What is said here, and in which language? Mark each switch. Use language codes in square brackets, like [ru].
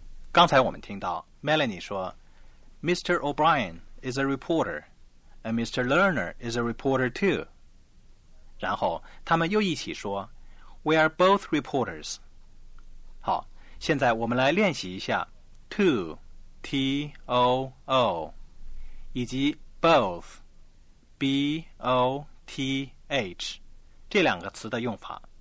[zh] 刚才我们听到 Melanie 说 [en] Mr. O'Brien is a reporter and Mr. Lerner is a reporter too. [zh] 然后他们又一起说 [en] We are both reporters. [zh] 好，现在我们来练习一下 to, T-O-O 以及 both, B-O-T-H 这两个词的用法。